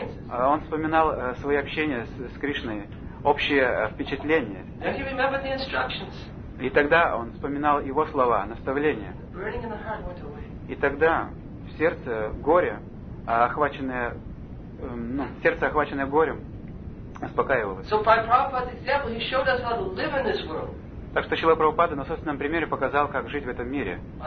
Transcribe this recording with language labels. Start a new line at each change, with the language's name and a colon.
Russian: Он вспоминал свои общения с Кришной, общие впечатления.
English: Then he remembered the instructions.
Russian: И тогда он вспоминал его слова, наставления.
English: Burning in the heart went away.
Russian: И тогда в сердце горе, охваченное, сердце, охваченное горем, успокаивалось.
English: So by Prabhupada's example, he showed us how to live in this world.
Russian: Так что Шрила Прабхупада на собственном примере показал, как жить в этом мире.